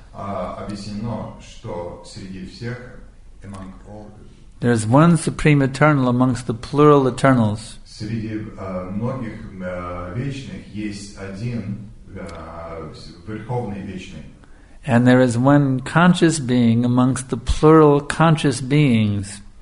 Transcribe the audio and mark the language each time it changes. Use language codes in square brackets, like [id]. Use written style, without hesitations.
[ru] Объяснено, что среди всех, [en] among all. There is one supreme eternal amongst the plural eternals. [ru] Среди многих вечных есть один верховный вечный. [en] And there is one conscious being amongst the plural conscious beings.